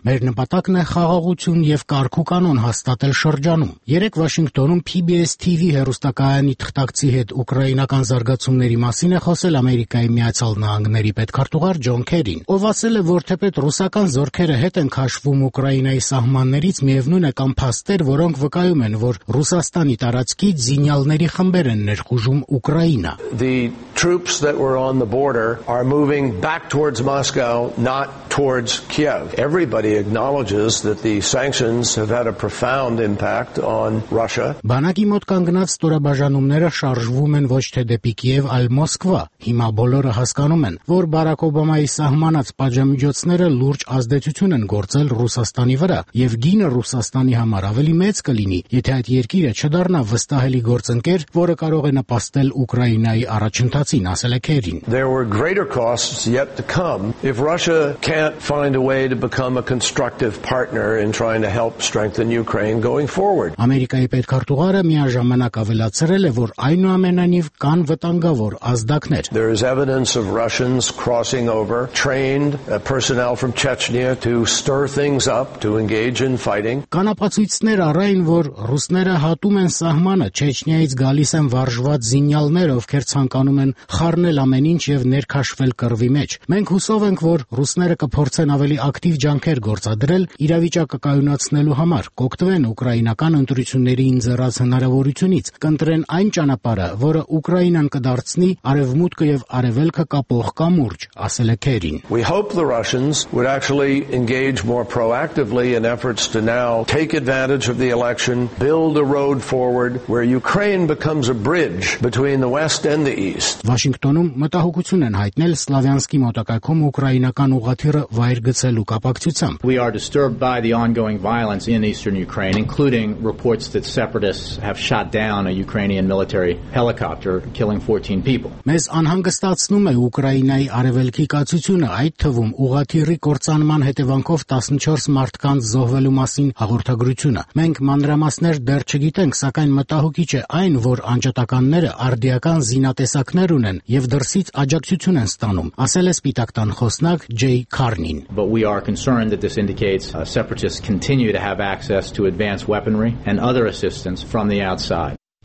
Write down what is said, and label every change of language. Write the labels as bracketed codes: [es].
[hy] Մեր նպատակն է խաղաղություն և կարգ ու կանոն հաստատել շրջանում։ Երեկ Վաշինգտոնում PBS TV հեռուստակայանի թղթակցի հետ ուկրաինական զարգացումների մասին է խոսել Ամերիկայի Միացյալ Նահանգների պետքարտուղար Ջոն Քերին, ով ասել է, որ թեպետ ռուսական զորքերը հետ են քաշվում Ուկրաինայի սահմաններից, միևնույն է, կամ փաստեր, որոնք վկայում են, որ Ռուսաստանի տարածքի զինյալների խմբեր են ներխուժում Ուկրաինա։ [en] The troops that were on the border are moving back towards Moscow, not towards Kiev. Everybody acknowledges that the sanctions have had a profound impact on Russia. [hy] Բանակի մոտ կանգնած ստորաբաժանումները շարժվում են ոչ թե դեպի Կիև, այլ Մոսկվա։ Հիմա բոլորը հասկանում են, որ Բարակ Օբամայի սահմանած պատժամիջոցները լուրջ ազդեցություն են գործել Ռուսաստանի վրա, և գինը Ռուսաստանի համար ավելի մեծ կլինի, եթե այդ երկիրը չդառնա վստահելի գործընկեր, որը կարող է նպաստել Ուկրաինայի առաջընթացին, ասել է Քերին։ [en] There were greater costs yet to come if Russia can't find a way to become a constructive partner in trying to help strengthen Ukraine going forward. [hy] Ամերիկայի պետքարտուղարը միաժամանակ ավելացրել է, որ այնուամենայնիվ կան վտանգավոր ազդակներ։ [en] There is evidence of Russians crossing over trained personnel from Chechnya to stir things up, to engage in fighting. [hy] Կանապացույցներ առ այն, որ ռուսները հատում են սահմանը, Չեչնիայից գալիս են վարժված զինյալներ, ովքեր ցանկանում են խառնել ամեն ինչ եւ ներքաշվել կռվի մեջ։ Մենք հուսով ենք, որ ռուսները կփորձեն ավելի ակտիվ ջանքեր գործադրել իրավիճակը կայունացնելու համար, կօգտվեն ուկրաինական ընտրությունների ինձեռաց հնարավորությունից, կընտրեն այն ճանապարհը, որը Ուկրաինան կդարձնի արևմուտքը եւ արևելքը կապող կամուրջ, ասել է Քերին։ [en] We hope the Russians would actually engage more proactively in efforts to now take advantage of the election, build a road forward where Ukraine becomes a bridge between the West and the East. [hy] Վաշինգտոնում մտահոգություն են հայտնել Սլավյանսկի մոտակայքում ուկրաինական ուղղաթիռը վայր գցելու կապակցությամբ։ [en] We are disturbed by the ongoing violence in eastern Ukraine, including reports that separatists have shot down a Ukrainian military helicopter, killing 14 people. [hy] Մեզ անհանգստացնում է Ուկրաինայի արևելքի կացությունը, այդ թվում ուղղաթիռի կործանման հետևանքով 14 մարդկանց զոհվելու մասին հաղորդագրությունը։ Մենք մանրամասներ դեռ չգիտենք, սակայն մտահոգիչ է այն, որ անջատականները արդիական զինատեսակներ ունեն եւ դրսից աջակցություն են ստանում, ասել է Սպիտակտան խոսնակ Ջեյ Քարնին։ [en] But we are concerned that this indicates separatists continue to have access to advanced weaponry and other assistance from the outside.